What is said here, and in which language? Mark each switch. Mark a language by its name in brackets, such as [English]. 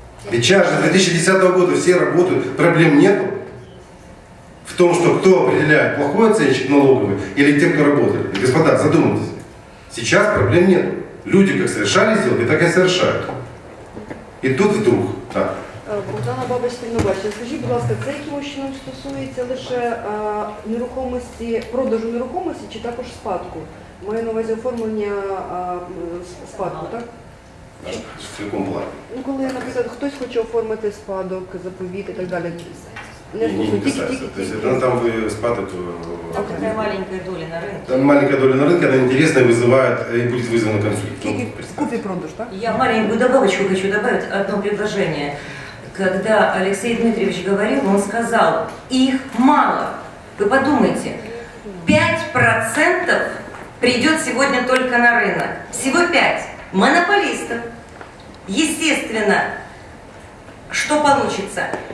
[Russian] Ведь сейчас же с 2010 года все работают, проблем нет в том, что кто определяет, плохой оценщик налоговый или те, кто работает. Господа, задумайтесь. Сейчас проблем нет. Люди как совершали сделки, так и совершают. И тут вдруг так. [Ukrainian] Богдана Бабич-Стрінобач, скажіть, будь ласка, це яким чином стосується лише нерухомості, продажу нерухомості чи також спадку? Маю на увазі оформлення спадку, так? В якому плані? Ну, коли, наприклад, хтось хоче оформити спадок, заповіт і так далі. Не писається. Не писається. Тобто, там ви спадок... Так, це маленька доля на ринку. Там маленька доля на ринку, вона інтересна і визиває, і буде визвана конфлікт. Тільки купі-продаж, так? Я маленьку добавочку хочу добавити, одне предложення. [Russian] Когда Алексей Дмитриевич говорил, он сказал, их мало. Вы подумайте, 5% придет сегодня только на рынок. Всего 5. Монополистов. Естественно, что получится?